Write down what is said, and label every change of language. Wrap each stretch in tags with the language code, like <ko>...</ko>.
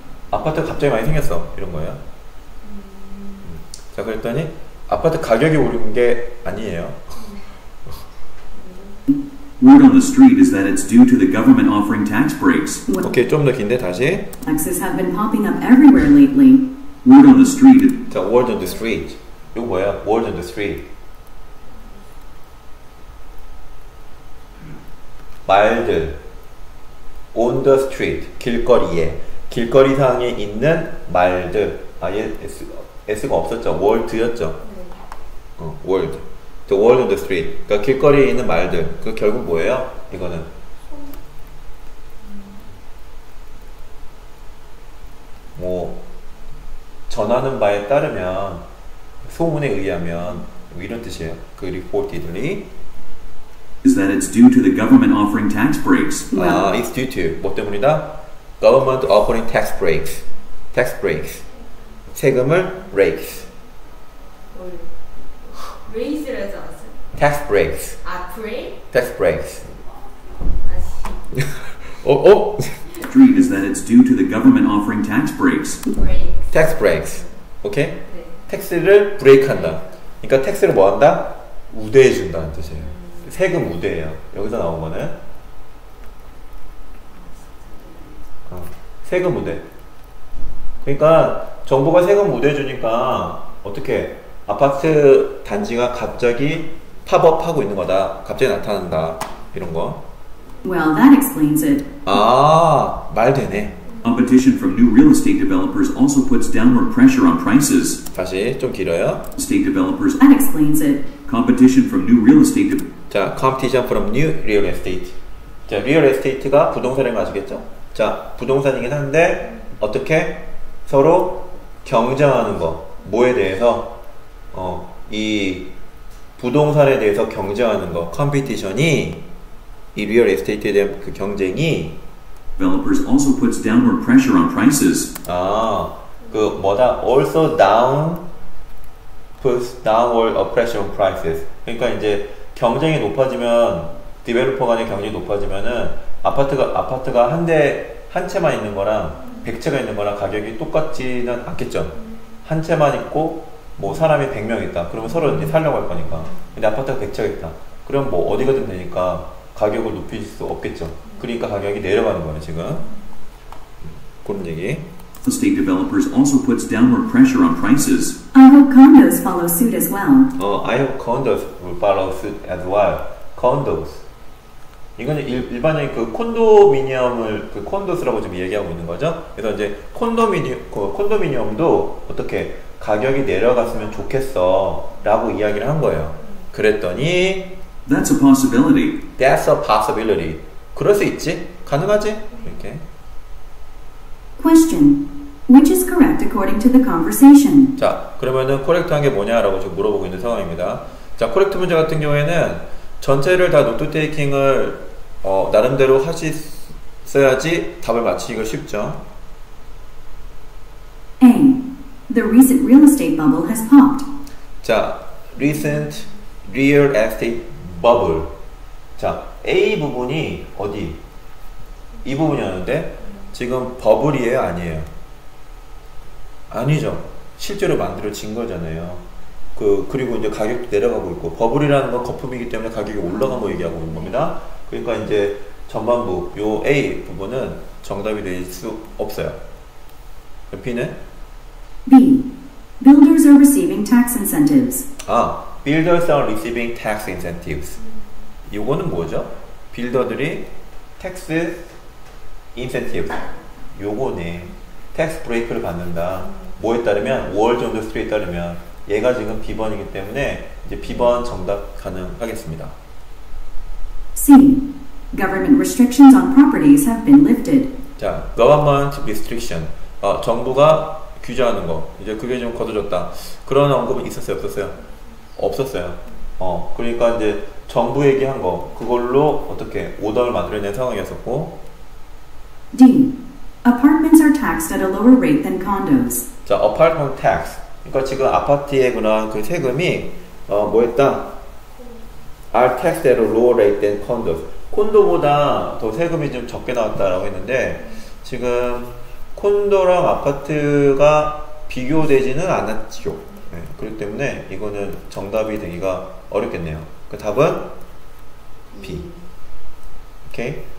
<ko>아파트가 갑자기 많이 생겼어. 이런 거예요. 자, 그랬더니 아파트 가격이 오른 게 아니에요.</ko> <en>Word on the street is that it's due to the government offering tax breaks.</en> <ko>오케이, 좀 더 긴데 다시.</ko> <en>Taxes have been popping up everywhere lately. Word on the street. 자, word on the street.</en> <ko>이거 뭐야?</ko> <en>Word on the street.</en> <ko>말들.</ko> <en>On the street.</en> <ko>길거리에. 길거리 상에 있는 말들. 아, 얘 S가 없었죠? Word였죠? 어, word.</ko> <en>The word on the street.</en> <ko>그러니까 길거리에 있는 말들. 그 결국 뭐예요? 이거는. 뭐, 전하는 바에 따르면, 소문에 의하면, 뭐 이런 뜻이에요.</ko> <en>그 reportedly. Is that it's due to the government offering tax breaks. It's due to.</en> <ko>뭐 때문이다?</ko> <en>Government offering tax breaks. Tax breaks.</en> <ko>세금을</ko> <en>breaks.</en> <ko>Raise를 하지 않았어요?</ko> <en>Tax breaks. 아, break? Tax breaks.</en> <ko>아, 씨. 어?</ko> <en>Street is that it's due to the government offering tax breaks. Break. Tax breaks. Okay?</en> <ko>네. 택스를 브레이크한다. 그러니까 택스를 뭐한다? 우대해준다는 뜻이에요. 세금 우대예요. 여기서 나온 거는. 세금 우대. 그러니까 정부가 세금 우대해주니까 어떻게 아파트 단지가 갑자기 팝업하고 있는 거다. 갑자기 나타난다. 이런 거.</ko> <en>Well, that explains it.</en> <ko>아, 말 되네.</ko> <en>Competition from new real estate developers also puts downward pressure on prices.</en> <ko>다시 좀 길어요.</ko> <en>State developers. That explains it. Competition from new real estate. 자, competition from new real estate.</en> <ko>자, real estate가 부동산을 가지겠죠? 자, 부동산이긴 한데 어떻게 서로 경쟁하는 거. 뭐에 대해서? 이 부동산에 대해서 경쟁하는 거, 컴피티션이 이 리얼 에스테이트에 대한 그 경쟁이</ko> <en>developers also puts downward pressure on prices.</en> <ko>아, 그 뭐다?</ko> <en>Also down puts downward a pressure on prices.</en> <ko>그러니까 이제 경쟁이 높아지면 디벨로퍼 간의 경쟁이 높아지면은 아파트가 한 채만 있는 거랑 100채가 있는 거랑 가격이 똑같지는 않겠죠. 한 채만 있고 뭐 사람이 100명 있다. 그러면 서로 이제 살려고 할 거니까. 근데 아파트가 100채가 있다. 그럼 뭐 어디가든 되니까 가격을 높일 수 없겠죠. 그러니까 가격이 내려가는 거예요, 지금. 그런 얘기.</ko> <en>The state developers also puts downward pressure on prices. I hope condos follow suit as well. I hope condos will follow suit as well. Condos.</en> <ko>이거는 일반적인 그 콘도미니엄을 그 콘도스라고 지금 얘기하고 있는 거죠. 그래서 이제 콘도미니엄도 어떻게 가격이 내려갔으면 좋겠어 라고 이야기를 한 거예요. 그랬더니</ko> <en>That's a possibility. That's a possibility.</en> <ko>그럴 수 있지? 가능하지? 이렇게</ko> <en>Question. Which is correct according to the conversation?</en> <ko>자, 그러면은 correct한 게 뭐냐 라고 지금 물어보고 있는 상황입니다. 자, correct 문제 같은 경우에는 전체를 다 note taking을 나름대로 하셨어야지 답을 맞추기가 쉽죠.</ko> <en>A. The recent real estate bubble has popped. 자, recent real estate bubble.</en> <ko>자, A 부분이 어디? 이 부분이었는데 지금 버블이에요, 아니에요? 아니죠. 실제로 만들어진 거잖아요. 그리고 이제 가격도 내려가고 있고 버블이라는 건 거품이기 때문에 가격이 올라간 거 얘기하고 있는 겁니다. 그러니까 이제 전반부 요 A 부분은 정답이 될 수 없어요. B는?</ko> <en>B. Builders are receiving tax incentives. 아, builders are receiving tax incentives.</en> <ko>이거는 뭐죠? 빌더들이</ko> <en>tax incentive</en> <ko>요거네. tax break를 받는다. 뭐에 따르면 월 정도 수료에 따르면 얘가 지금 B번이기 때문에 이제 B번 정답 가능하겠습니다.</ko> <en>C. Government restrictions on properties have been lifted. 자, government restriction.</en> <ko>정부가 규제하는 거. 이제 그게 좀 거둬졌다. 그런 언급은 있었어요, 없었어요? 없었어요. 그러니까 이제 정부 얘기한 거. 그걸로 어떻게 오더를 만들어낸 상황이었었고.</ko> <en>D. Apartments are taxed at a lower rate than condos. 자, apartment tax.</en> <ko>그러니까 지금 아파트에 그런 그 세금이 뭐였다?</ko> <en>Are taxed at a lower rate than condos.</en> <ko>콘도보다 더 세금이 좀 적게 나왔다라고 했는데 지금 콘도랑 아파트가 비교되지는 않았죠. 네, 그렇기 때문에 이거는 정답이 되기가 어렵겠네요. 그 답은 B. 오케이.</ko>